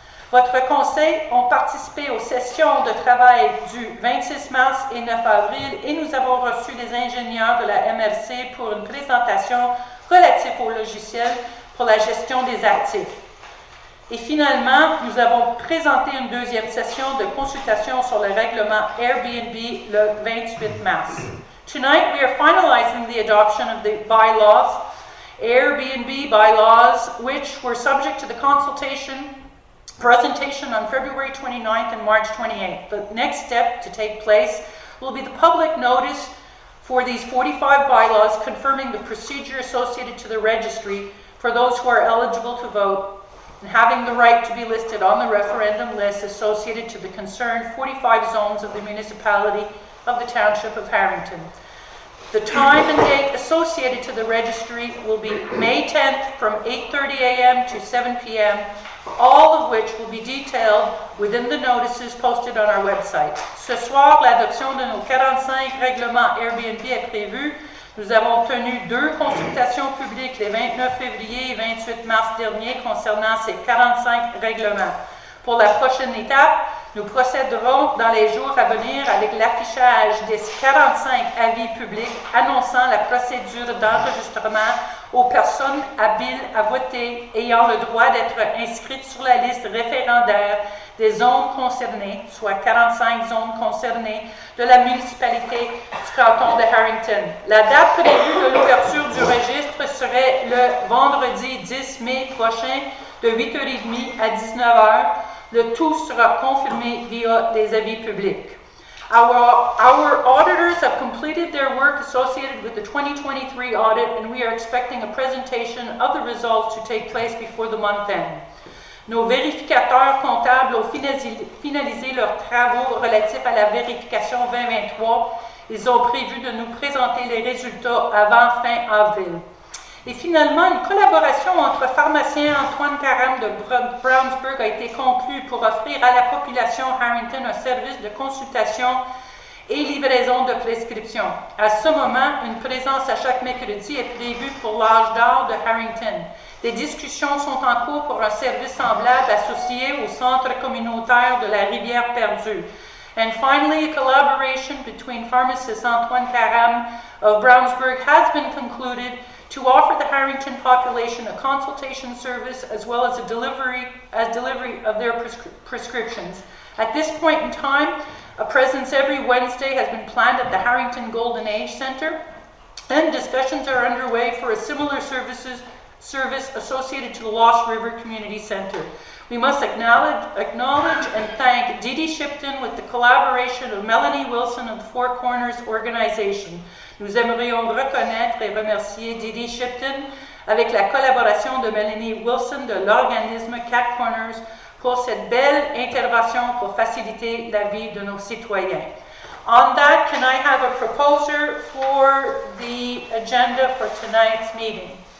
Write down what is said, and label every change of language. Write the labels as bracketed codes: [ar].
[fr] Votre conseil a participé aux sessions de travail du 26 mars et 9 avril et nous avons reçu les ingénieurs de la MRC pour une présentation relative au logiciel pour la gestion des actifs. Et finalement, nous avons présenté une deuxième session de consultation sur le règlement Airbnb le 28 mars. [en] Tonight, we are finalizing the adoption of the bylaws Airbnb bylaws, which were subject to the consultation presentation on February 29th and March 28th. The next step to take place will be the public notice for these 45 bylaws confirming the procedure associated to the registry for those who are eligible to vote and having the right to be listed on the referendum list associated to the concerned 45 zones of the municipality of the Township of Harrington. The time and date associated to the registry will be May 10th from 8:30 a.m. to 7 p.m., all of which will be detailed within the notices posted on our website. [fr] Ce soir, l'adoption de nos 45 règlements Airbnb est prévue. Nous avons tenu deux consultations publiques les 29 février et 28 mars dernier concernant ces 45 règlements. Pour la prochaine étape, nous procéderons dans les jours à venir avec l'affichage des 45 avis publics annonçant la procédure d'enregistrement aux personnes habiles à voter ayant le droit d'être inscrites sur la liste référendaire des zones concernées, soit 45 zones concernées, de la municipalité du canton de Harrington. La date prévue de l'ouverture du registre serait le vendredi 10 mai prochain de 8h30 à 19h. Le tout sera confirmé via des avis publics. [en] Our auditors have completed their work associated with the 2023 audit, and we are expecting a presentation of the results to take place before the month end. [fr] Nos vérificateurs comptables ont finalisé leurs travaux relatifs à la vérification 2023. Ils ont prévu de nous présenter les résultats avant fin avril. Et finalement, une collaboration entre pharmacien Antoine Caram de Brownsburg a été conclue pour offrir à la population Harrington un service de consultation et livraison de prescriptions. À ce moment, une présence à chaque mercredi est prévue pour l'âge d'or de Harrington. Des discussions sont en cours pour un service semblable associé au centre communautaire de la Rivière Perdue. [en] And finally, a collaboration between pharmacist Antoine Caram of Brownsburg has been concluded to offer the Harrington population a consultation service as well as a delivery of their prescriptions. At this point in time, a presence every Wednesday has been planned at the Harrington Golden Age Center, and discussions are underway for a similar service associated to the Lost River Community Center. We must acknowledge and thank Dee Dee Shipton with the collaboration of Melanie Wilson of the Four Corners organization. [fr] Nous aimerions reconnaître et remercier Dee Dee Shipton avec la collaboration de Melanie Wilson de l'organisme Cat Corners pour cette belle intervention pour faciliter la vie de nos citoyens. [en] On that, can I have a proposer for the agenda for tonight's meeting?